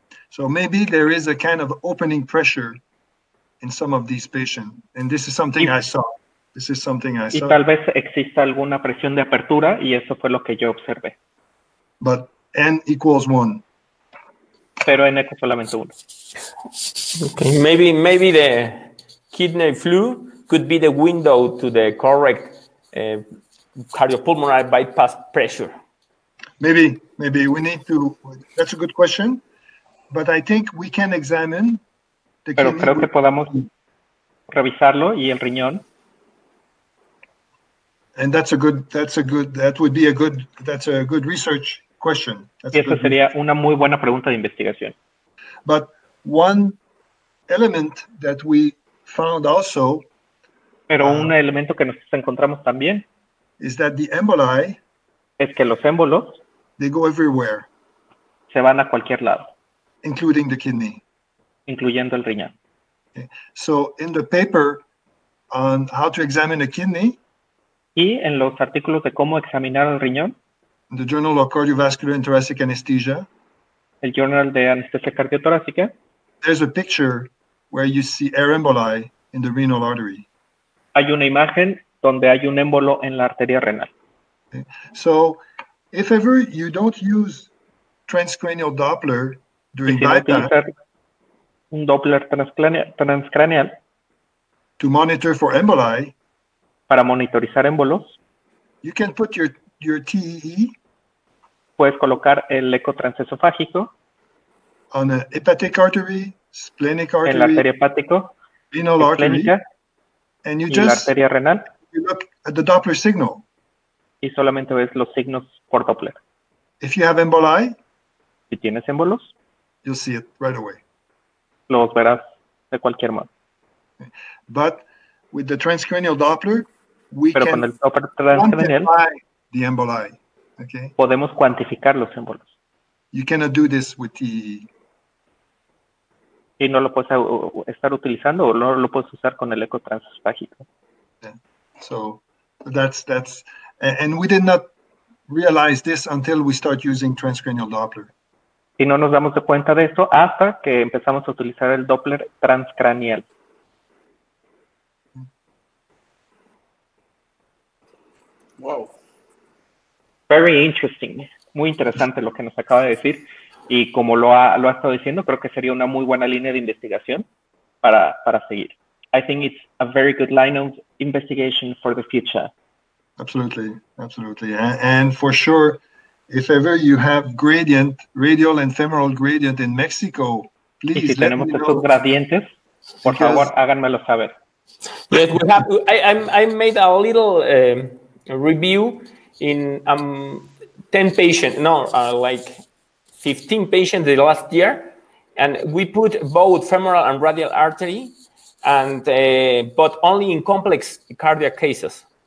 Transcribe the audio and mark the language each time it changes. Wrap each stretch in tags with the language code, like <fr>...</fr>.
<en>So maybe there is a kind of opening pressure in some of these patients. And this is something I saw. This is something I saw.</en> <es>Y tal vez exista alguna presión de apertura y eso fue lo que yo observé.</es> <en>But N equals one.</en> <es>Pero N es solamente uno.</es> <en>Okay. Maybe the kidney flu could be the window to the correct cardiopulmonary bypass pressure. Maybe we need to. That's a good question, but I think we can examine the kidney.</en> <es>Pero creo que podamos revisarlo y el riñón.</es> <en>And that's a good research question.</en> <es>Eso sería una muy buena pregunta de investigación.</es> <en>But one element that we found also.</en> <es>Pero un elemento que nos encontramos también</es> <en>is that the emboli,</en> <es>es que los émbolos</es> <en>they go everywhere,</en> <es>se van a cualquier lado,</es> <en>including the kidney,</en> <es>incluyendo el riñón.</es> <en>Okay. So in the paper on how to examine a kidney,</en> <es>y en los artículos de cómo examinar el riñón,</es> <en>the Journal of Cardiovascular and Thoracic Anesthesia,</en> <es>el Journal de Anestesia Cardiotorácica,</es> <en>there's a picture where you see air emboli in the renal artery.</en> <es>Hay una imagen donde hay un émbolo en la arteria renal.</es> <en>Okay. So, if ever you don't use transcranial Doppler during bypass,</en> <es>un Doppler transcranial</es> <en>to monitor for emboli,</en> <es>para monitorizar émbolos,</es> <en>you can put your TEE,</en> <es>puedes colocar el eco transesofágico</es> <en>on a hepatic artery, splenic artery,</en> <es>en la arteria hepática,</es> <en>renal artery. And you just look at the Doppler signal.</en> <es>Y solamente ves los signos por Doppler.</es> <en>If you have emboli,</en> <es>si tienes émbolos,</es> <en>you'll see it right away.</en> <es>Los verás de cualquier modo.</es> <en>But with the transcranial Doppler,</en> <es>pero con el Doppler transcranial,</es> <en>the emboli, okay?</en> <es>Podemos cuantificar los émbolos.</es> <en>You cannot do this with TEE.</en> <es>Y no lo puedes estar utilizando o no lo puedes usar con el eco transesofágico.</es> <en>So that's and we did not realize this until we start using transcranial Doppler.</en> <es>Y no nos damos de cuenta de esto hasta que empezamos a utilizar el Doppler transcranial.</es> <en>Wow. Very interesting.</en> <es>Muy interesante lo que nos acaba de decir. Y como lo ha estado diciendo, creo que sería una muy buena línea de investigación para seguir.</es> <en>I think it's a very good line of investigation for the future. Absolutely, absolutely. And for sure, if ever you have gradient, radial and femoral gradient in Mexico, please let me know.</en> <es>Si tenemos estos gradientes, por favor, háganmelo saber.</es> <en>Yes, we have. I made a little review in 10 patients, no, like 15 patients the last year, and we put both femoral and radial artery, and but only in complex cardiac cases.</en>